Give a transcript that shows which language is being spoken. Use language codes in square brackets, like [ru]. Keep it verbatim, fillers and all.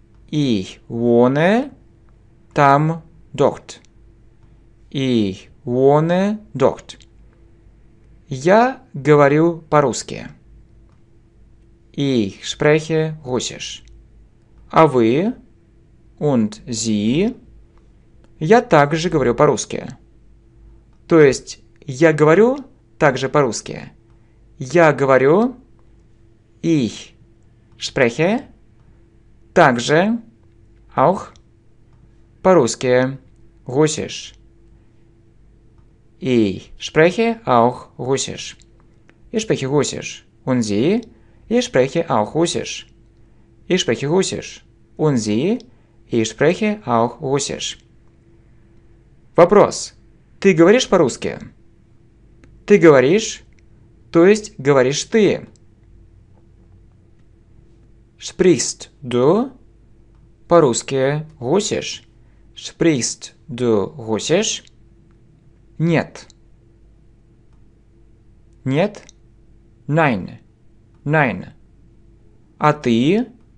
[de] Ich wohne [ru] там, [de] dort. Ich wohne dort. [ru] Я говорю по-русски. [de] Ich spreche Russisch. [ru] А вы? [de] und Sie. [ru] Я также говорю по-русски. То есть я говорю также по-русски. Я говорю [de] ich spreche [ru] также [de] auch [ru] по-русски russisch. [de] Ich spreche auch russisch. Ich spreche russisch. Und Sie? Ich spreche auch russisch. Ich spreche russisch. Und Sie? Ich spreche auch russisch. [ru] Вопрос. Ты говоришь по-русски? Ты говоришь, то есть говоришь ты. [de] Sprichst du [ru] по-русски [de] russisch? Sprichst du russisch? [ru] Нет. Нет. [de] Nein. Nein. [ru] А ты?